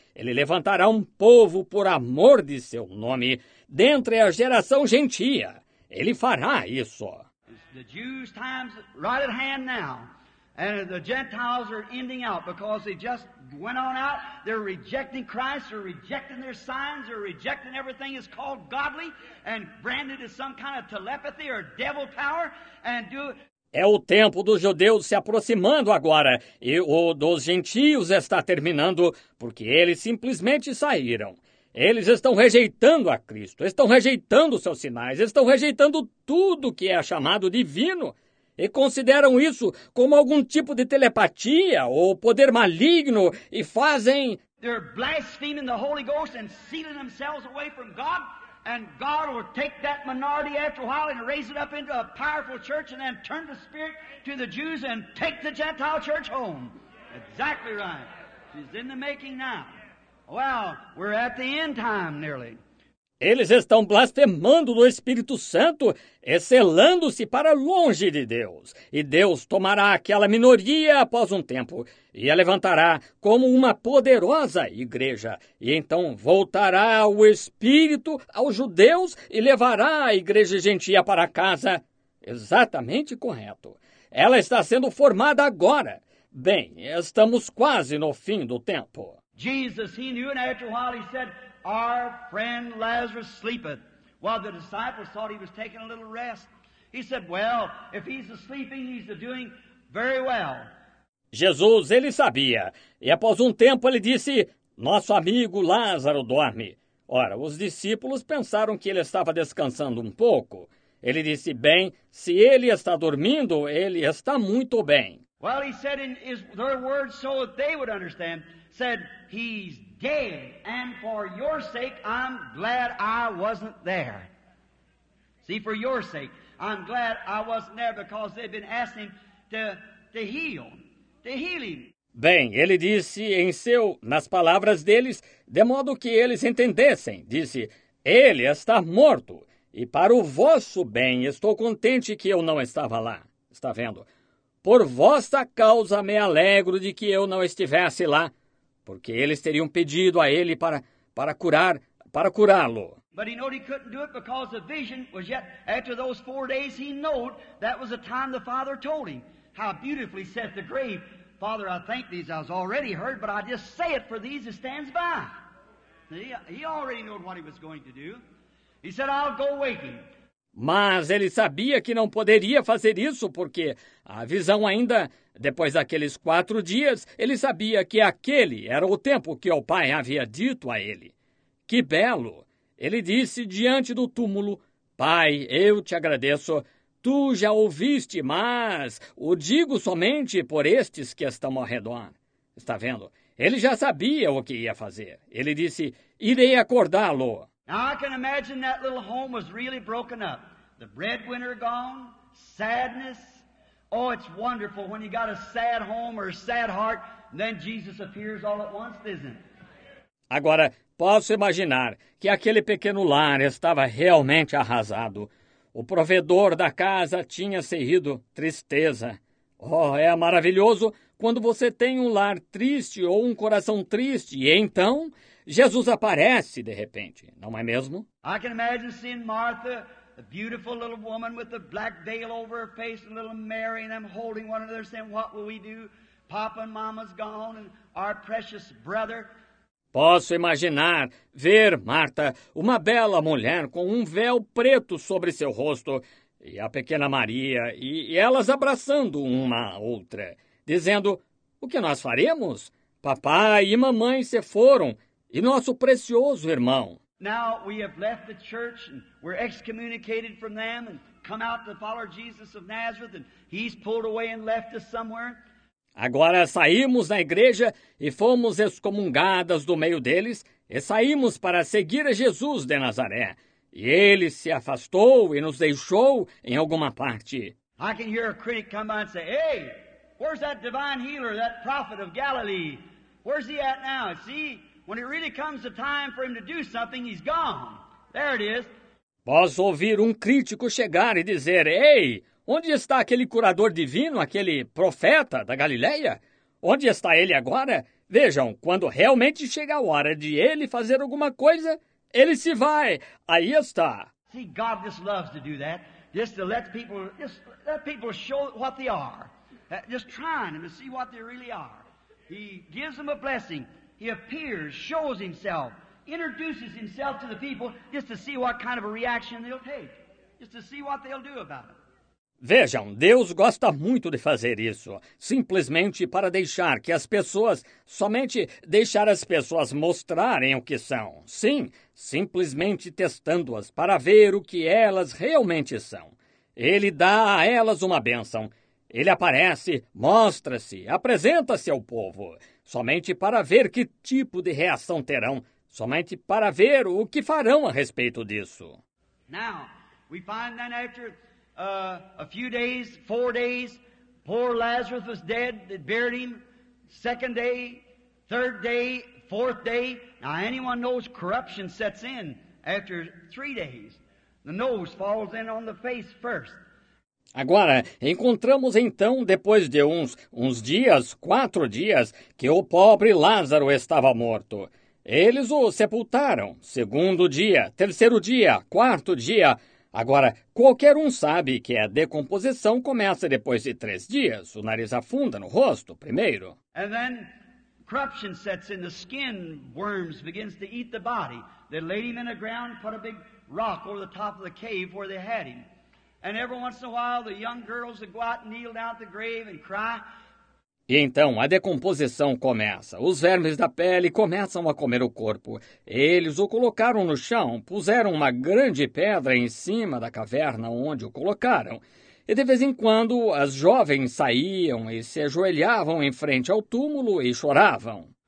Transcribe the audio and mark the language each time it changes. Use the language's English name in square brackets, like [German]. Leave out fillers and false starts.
[Portuguese] Ele levantará um povo por amor de seu nome, dentre a geração gentia. Ele fará isso. [English] The Jews' time's right at hand now. And the Gentiles are ending out because they just went on out. They're rejecting Christ, they're rejecting their signs, they're rejecting everything that's called godly and branded as some kind of telepathy or devil power and do it. [Portuguese] É o tempo dos judeus se aproximando agora, e o dos gentios está terminando, porque eles simplesmente saíram. Eles estão rejeitando a Cristo, estão rejeitando seus sinais, estão rejeitando tudo que é chamado divino, e consideram isso como algum tipo de telepatia ou poder maligno, e fazem... [English] They're blaspheming the Holy Ghost and sealing themselves away from God. And God will take that minority after a while and raise it up into a powerful church and then turn the spirit to the Jews and take the Gentile church home. Exactly right. She's in the making now. Well, we're at the end time nearly. [Portuguese] Eles estão blasfemando do Espírito Santo, excelando-se para longe de Deus. E Deus tomará aquela minoria após um tempo e a levantará como uma poderosa igreja. E então voltará o Espírito aos judeus e levará a igreja gentia para casa. Exatamente correto. Ela está sendo formada agora. Bem, estamos quase no fim do tempo. [English] Jesus, he knew, and after a while he said, our friend Lazarus sleepeth. While the disciples thought he was taking a little rest. He said, well, if he's sleeping, he's doing very well. [Portuguese] Jesus, ele sabia. E após um tempo, ele disse, nosso amigo Lázaro dorme. Ora, os discípulos pensaram que ele estava descansando um pouco. Ele disse, bem, se ele está dormindo, ele está muito bem. [English] Well, he said in his, their words so that they would understand, said, he's dead, and for your sake, I'm glad I wasn't there. See, for your sake, I'm glad I wasn't there because they've been asking to heal him. [Portuguese] Bem, ele disse em seu, nas palavras deles, de modo que eles entendessem, disse, ele está morto, e para o vosso bem, estou contente que eu não estava lá. Está vendo? Por vossa causa, me alegro de que eu não estivesse lá. Porque eles teriam pedido a ele para curá-lo. [English] But he knew he couldn't do it because the vision was yet after those 4 days he knew that was the time the Father told him. How beautifully set the grave. Father, I thank these I was already heard, but I just say it for these that stands by. He already knew what he was going to do. He said, I'll go waking. [Portuguese] Mas ele sabia que não poderia fazer isso, porque a visão ainda, depois daqueles 4 dias, ele sabia que aquele era o tempo que o Pai havia dito a ele. Que belo! Ele disse diante do túmulo, Pai, eu te agradeço, tu já ouviste, mas o digo somente por estes que estão ao redor. Está vendo? Ele já sabia o que ia fazer. Ele disse, irei acordá-lo. [English] Now I can imagine that little home was really broken up. The breadwinner gone, sadness. Oh, it's wonderful when you got a sad home or a sad heart, and then Jesus appears all at once, isn't it? [Portuguese] Agora, Posso imaginar que aquele pequeno lar estava realmente arrasado. O provedor da casa tinha cedido tristeza. Oh, é maravilhoso quando você tem um lar triste ou um coração triste, e então Jesus aparece de repente, não é mesmo? [English] I can imagine seeing Martha, a beautiful little woman with a black veil over her face, and little Mary, and them holding one another, saying, "What will we do? Papa and Mama's gone, and our precious brother." [Portuguese] Posso imaginar ver Marta, uma bela mulher com um véu preto sobre seu rosto, e a pequena Maria, e elas abraçando uma a outra, dizendo: "O que nós faremos? Papai e mamãe se foram, e nosso precioso irmão." [English] Now we have left the church and we're excommunicated from them and come out to follow Jesus of Nazareth, and he's pulled away and left us somewhere. [Portuguese] Agora saímos da igreja e fomos excomungadas do meio deles e saímos para seguir a Jesus de Nazaré. E ele se afastou e nos deixou em alguma parte. [English] I can hear a critic come by and say, "Hey, where's that divine healer, that prophet of Galilee? Where's he at now? See, when it really comes the time for him to do something, he's gone. There it is." [Portuguese] Posso ouvir um crítico chegar e dizer: "Ei, onde está aquele curador divino, aquele profeta da Galileia? Onde está ele agora? Vejam, quando realmente chega a hora de ele fazer alguma coisa, ele se vai. Aí está." [English] See, God just loves to do that. Just let people show what they are. Just trying them to see what they really are. He gives them a blessing. He appears, shows himself, introduces himself to the people just to see what kind of a reaction they'll take. Just to see what they'll do about it. [Portuguese] Vejam, Deus gosta muito de fazer isso, simplesmente para deixar que as pessoas, somente deixar as pessoas mostrarem o que são. Sim, simplesmente testando-as para ver o que elas realmente são. Ele dá a elas uma bênção. Ele aparece, mostra-se, apresenta-se ao povo, somente para ver que tipo de reação terão, somente para ver o que farão a respeito disso. [English] Now, we find that after a few days, 4 days, poor Lazarus was dead, they buried him. Second day, third day, fourth day. Now anyone knows corruption sets in after 3 days. The nose falls in on the face first. [Portuguese] Agora, encontramos então, depois de uns dias, 4 dias, que o pobre Lázaro estava morto. Eles o sepultaram. Segundo dia, terceiro dia, quarto dia. Agora, qualquer um sabe que a decomposição começa depois de 3 dias. O nariz afunda no rosto, primeiro. E depois, corrupção se [English] in the skin, worms begins to eat the body. They laid him in the ground, put a big rock over the top of the cave where they had him. And every once in a while, the young girls would go out and kneel down at the grave and cry. [Portuguese] E então, a decomposição começa. Os vermes da pele começam a comer o corpo. Eles o colocaram no chão, puseram uma grande pedra em cima da caverna onde o colocaram. E de vez em quando, as jovens saíam e se ajoelhavam em frente ao túmulo e choravam.